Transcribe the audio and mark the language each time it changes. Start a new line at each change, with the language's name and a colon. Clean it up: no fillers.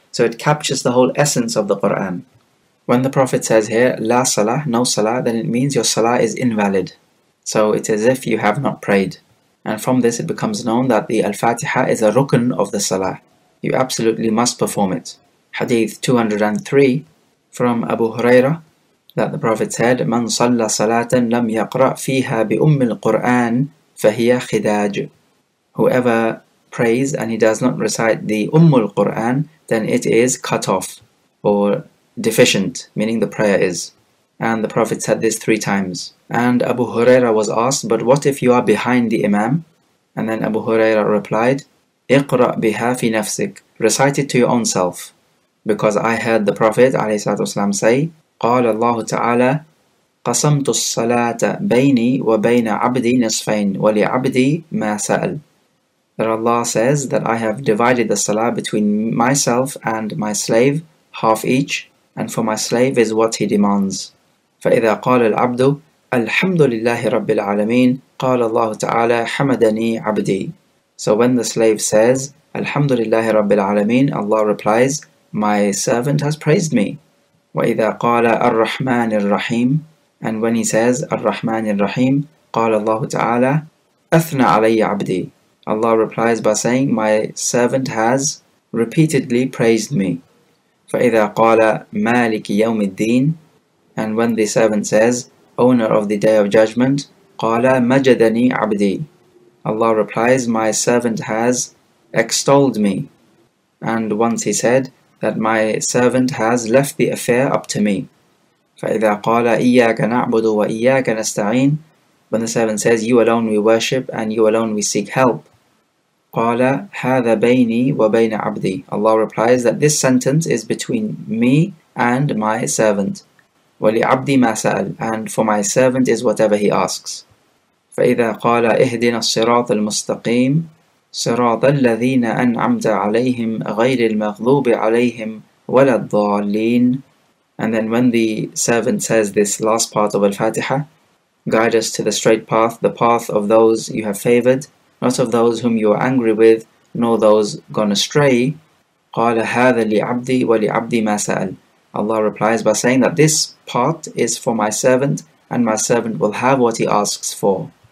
English: So it captures the whole essence of the Qur'an. When the Prophet says here,
Arabic: لَا صَلَاه,
English: no salah, then it means your salah is invalid. So it's as if you have not prayed. And from this, it becomes known that the Al-Fatiha is a rukn of the salah. You absolutely must perform it. Hadith 203 from Abu Huraira, that the Prophet said,
Arabic: من صلى صلاة لم يقرأ فيها بأم القرآن فهي خداج.
English: Whoever prays and he does not recite the Umm al-Qur'an, then it is cut off or deficient, meaning the prayer is. And the Prophet said this three times. And Abu Huraira was asked, but what if you are behind the Imam? And then Abu Huraira replied,
Arabic: اقرأ بها في نفسك.
English: Recite it to your own self. Because I heard the Prophet
Arabic: والسلام, say, قال الله تعالى قسمت الصلاة بيني وبين عبدي نصفين ولعبدي ما سأل.
English: That Allah says that I have divided the salah between myself and my slave, half each, and for my slave is what he demands.
Arabic: فَإِذَا قَالَ الْعَبْدُ الْحَمْدُ لِلَّهِ رَبِّ الْعَالَمِينَ قَالَ اللَّهُ تَعَالَى حَمَدَنِي عَبْدِي.
English: So when the slave says,
Arabic: الْحَمْدُ لِلَّهِ رَبِّ الْعَالَمِينَ,
English: Allah replies, my servant has praised me.
Arabic: وَإِذَا قَالَ الرَّحْمَنِ الرَّحِيمِ,
English: and when he says,
Arabic: الرَّحْمَنِ الرَّحِيمِ, قَالَ اللَّهُ تَعَالَى أَثْنَى عَلَيَّ عَبْدِي.
English: Allah replies by saying, my servant has repeatedly praised me.
Arabic: فَإِذَا قَالَ مَالِكِ يَوْمِ الدِّينِ,
English: and when the servant says, owner of the Day of Judgment,
Arabic: قَالَ مَجَدَنِي عَبْدِي.
English: Allah replies, my servant has extolled me. And once he said that my servant has left the affair up to me.
Arabic: فَإِذَا قَالَ إِيَّاكَ نَعْبُدُ وَإِيَّاكَ نَسْتَعِينَ,
English: when the servant says, you alone we worship and you alone we seek help.
Arabic: قَالَ هَذَا بَيْنِي وَبَيْنَ عَبْدِي.
English: Allah replies that this sentence is between me and my servant.
Arabic: وَلِعَبْدِي مَا سَأَلْ,
English: and for my servant is whatever he asks.
Arabic: فَإِذَا قَالَ اِهْدِنَا الصِّرَاطَ الْمُسْتَقِيمِ صِرَاطَ الَّذِينَ أَنْعَمْتَ عَلَيْهِمْ غَيْرِ الْمَغْضُوبِ عَلَيْهِمْ وَلَا الضَّالِّينَ.
English: And then when the servant says this last part of Al-Fatiha, Guide us to the straight path, the path of those you have favored, not of those whom you are angry with, nor those gone astray.
Arabic: قَالَ هَذَا لِعَبْدِي وَلِعَبْدِي مَا سَأَلْ
English: Allah replies by saying that this part is for my servant, and my servant will have what he asks for.